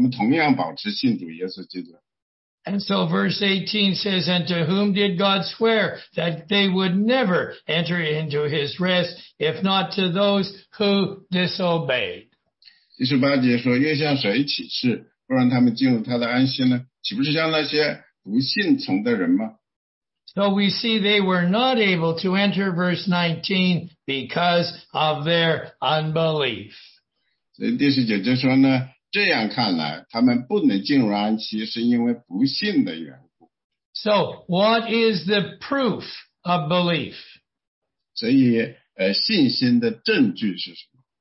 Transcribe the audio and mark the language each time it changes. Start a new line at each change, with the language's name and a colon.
Chinese: 所以实际上他们同样的那些门徒也相信主耶稣基督，就是在加利利海上那个大风暴的时候，在风暴中呢，他们跟他们同平常他们有好日子的时候，而在风暴的日子的时候，他们同样保持信主耶稣基督。
English: And so verse 18 says, "And to whom did God swear that they would never enter into his rest, if not to those who disobeyed?"
Chinese: 第18节说，又向谁起誓？不让他们进入他的安息呢？岂不是像那些不信从的人吗？
English: So we see they were not able to enter verse 19 because of their unbelief.
Chinese: 所以第19节就说呢，这样看来，他们不能进入安息，是因为不信的缘故。
English: So what is the proof of belief?
Chinese: 所以，信心的证据是什么？